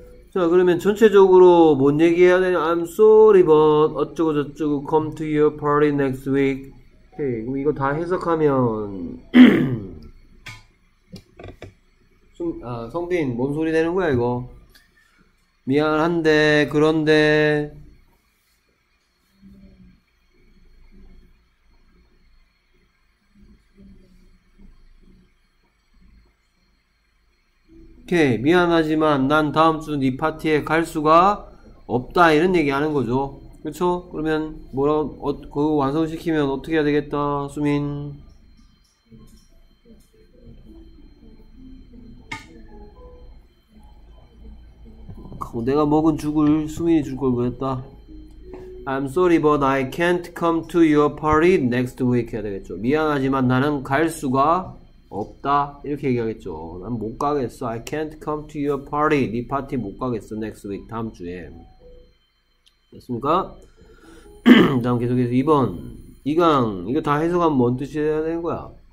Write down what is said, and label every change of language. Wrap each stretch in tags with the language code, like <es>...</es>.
<ko>자 그러면 전체적으로 뭔 얘기해야 되냐.</ko> <en>I'm sorry but</en> <ko>어쩌고 저쩌고</ko> <en>come to your party next week.</en> <ko>오케이. 그럼 이거 다 해석하면 아, 성빈, 뭔 소리 되는 거야, 이거? 미안한데, 그런데. 오케이, 미안하지만 난 다음 주 네 파티에 갈 수가 없다. 이런 얘기 하는 거죠. 그쵸? 그러면, 그거 완성시키면 어떻게 해야 되겠다, 수민? 내가 먹은 죽을 수민이 줄 걸 그랬다.</ko> <en>I'm sorry but I can't come to your party next week</en> <ko>해야 되겠죠. 미안하지만 나는 갈 수가 없다. 이렇게 얘기하겠죠. 난 못 가겠어.</ko> <en>I can't come to your party.</en> <ko>네 파티 못 가겠어.</ko> <en>next week.</en> <ko>다음 주에. 됐습니까? 다음 계속해서 2번. 이강. 이거 다 해석하면 뭔 뜻이 해야 되는 거야?</ko>